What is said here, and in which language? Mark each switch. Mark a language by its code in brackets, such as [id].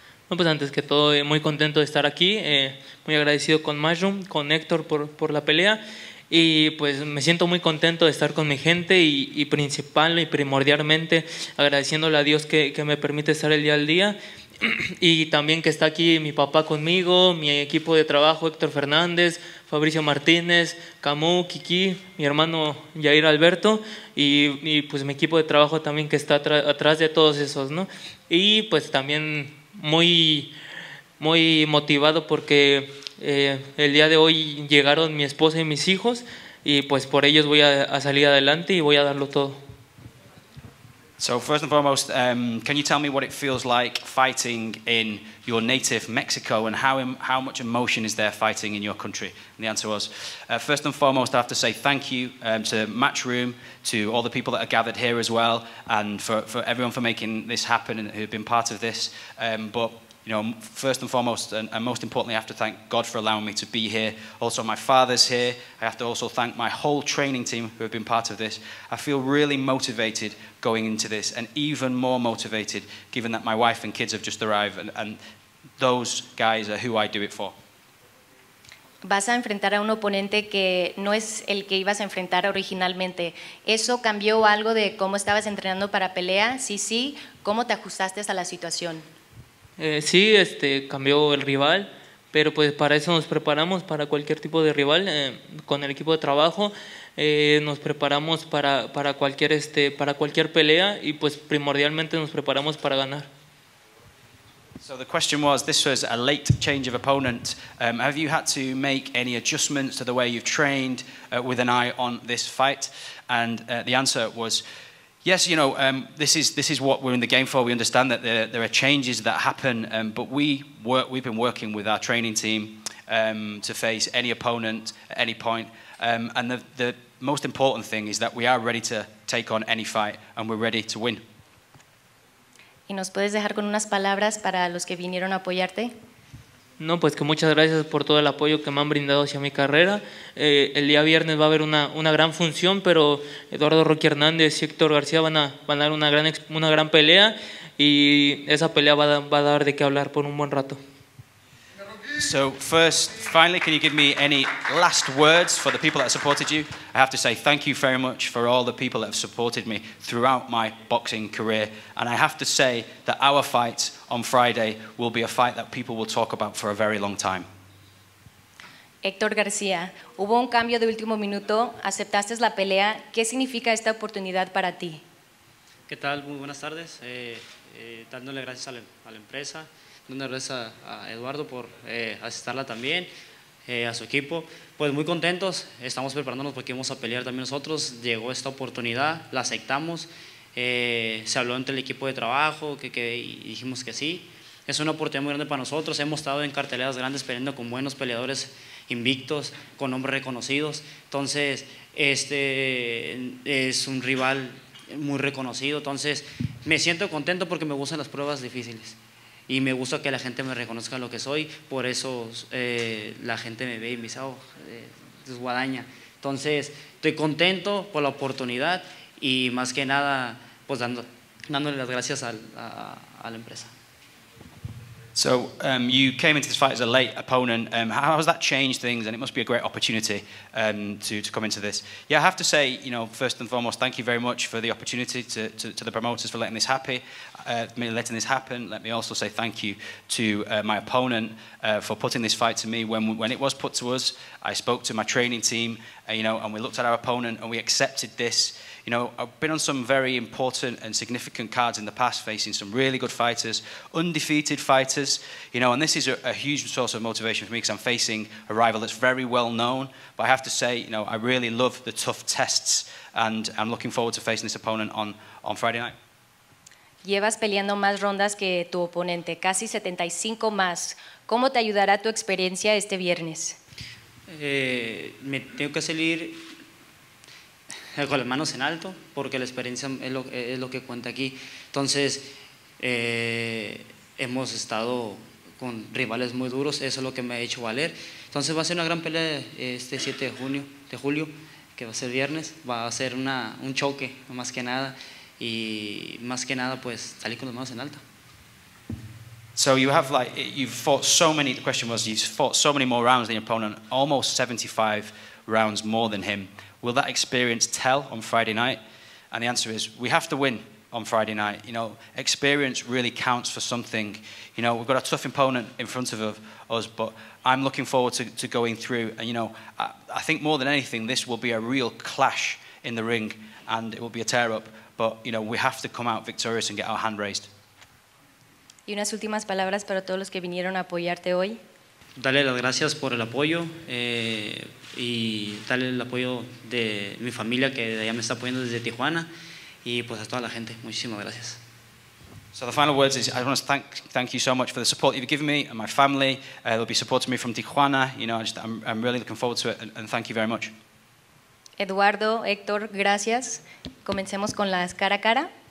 [es] No, pues antes que todo, muy contento de estar aquí, muy agradecido con Matchroom, con Héctor por la pelea, y pues me siento muy contento de estar con mi gente y principal y primordialmente agradeciéndole a Dios que me permite estar el día al día, y también que está aquí mi papá conmigo, mi equipo de trabajo, Héctor Fernández, Fabricio Martínez, Camu, Kiki, mi hermano Yair Alberto, y pues mi equipo de trabajo también que está atrás de todos esos, ¿no? Y pues también muy, muy motivado porque el día de hoy llegaron mi esposa y mis hijos, y pues por ellos voy a salir adelante y voy a darlo todo. [en] So first and foremost, can you tell me what it feels like fighting in your native Mexico, and how much emotion is there fighting in your country? And the answer was, first and foremost, I have to say thank you to Matchroom, to all the people that are gathered here as well, and for everyone for making this happen and who've been part of this. But you know, first and foremost, and most importantly, I have to thank God for allowing me to be here. Also, my father's here. I have to also thank my whole training team who have been part of this. I feel really motivated going into this, and even more motivated given that my wife and kids have just arrived, and those guys are who I do it for. [es] Vas a enfrentar a un oponente que no es el que ibas a enfrentar originalmente. ¿Eso cambió algo de cómo estabas entrenando para pelea? Si sí, ¿cómo te ajustaste a la situación? Sí, cambió el rival, pero pues para eso nos preparamos, para cualquier tipo de rival, con el equipo de trabajo, nos preparamos para cualquier pelea, y pues primordialmente nos preparamos para ganar. [en] So the question was, this was a late change of opponent. Have you had to make any adjustments to the way you've trained with an eye on this fight? And the answer was, yes, you know, this is what we're in the game for. We understand that there are changes that happen, but we've been working with our training team to face any opponent at any point. And the most important thing is that we are ready to take on any fight, and we're ready to win. [es] ¿Y nos puedes dejar con unas palabras para los que vinieron a apoyarte? No, pues que muchas gracias por todo el apoyo que me han brindado hacia mi carrera. El día viernes va a haber una gran función, pero Eduardo Roque Hernández y Héctor García van a dar una gran pelea, y esa pelea va a dar de qué hablar por un buen rato. [en] So first, finally, can you give me any last words for the people that supported you? I have to say thank you very much for all the people that have supported me throughout my boxing career. And I have to say that our fight on Friday will be a fight that people will talk about for a very long time. [es] Héctor García, hubo un cambio de último minuto, aceptaste la pelea. ¿Qué significa esta oportunidad para ti? ¿Qué tal? Muy buenas tardes. Dándole gracias a la empresa. Una gracias a Eduardo por asistirla también, a su equipo. Pues muy contentos, estamos preparándonos porque vamos a pelear también nosotros. Llegó esta oportunidad, la aceptamos. Se habló entre el equipo de trabajo y dijimos que sí. Es una oportunidad muy grande para nosotros. Hemos estado en carteleras grandes peleando con buenos peleadores invictos, con nombres reconocidos. Entonces, este es un rival muy reconocido. Entonces, me siento contento porque me gustan las pruebas difíciles. Y me gusta que la gente me reconozca lo que soy, por eso la gente me ve y me dice, es Guadaña. Entonces, estoy contento por la oportunidad y más que nada, pues dándole las gracias a la empresa. [en] So, you came into this fight as a late opponent. How has that changed things? And it must be a great opportunity to come into this. Yeah, I have to say, you know, first and foremost, thank you very much for the opportunity to the promoters for letting this happen. Let me also say thank you to my opponent for putting this fight to me. When it was put to us, I spoke to my training team, you know, and we looked at our opponent and we accepted this. You know, I've been on some very important and significant cards in the past, facing some really good fighters, undefeated fighters, you know, and this is a huge source of motivation for me because I'm facing a rival that's very well known. But I have to say, you know, I really love the tough tests and I'm looking forward to facing this opponent on Friday night. [es] Llevas peleando más rondas que tu oponente, casi 75 más. ¿Cómo te ayudará tu experiencia este viernes? Me tengo que salir con las manos en alto, porque la experiencia es lo que cuenta aquí. Entonces, hemos estado con rivales muy duros, eso es lo que me ha hecho valer. Entonces, va a ser una gran pelea este 7 de julio, que va a ser viernes, va a ser un choque, más que nada, y más que nada, pues, salir con las manos en alto. [en] So you have like you've fought so many. The question was you've fought so many more rounds than your opponent, almost 75 rounds more than him. Will that experience tell on Friday night? And the answer is we have to win on Friday night. You know, experience really counts for something. You know, we've got a tough opponent in front of us, but I'm looking forward to going through. And you know, I think more than anything, this will be a real clash in the ring, and it will be a tear up. But you know, we have to come out victorious and get our hand raised. [es] Y unas últimas palabras para todos los que vinieron a apoyarte hoy. Dale las gracias por el apoyo y dale el apoyo de mi familia que ya me está apoyando desde Tijuana y pues a toda la gente. Muchísimas gracias. [en] So the final words is I want to thank you so much for the support you've given me and my family. They'll be supporting me from Tijuana. You know, I'm really looking forward to it and thank you very much. [es] Eduardo, Héctor, gracias. Comencemos con las cara a cara.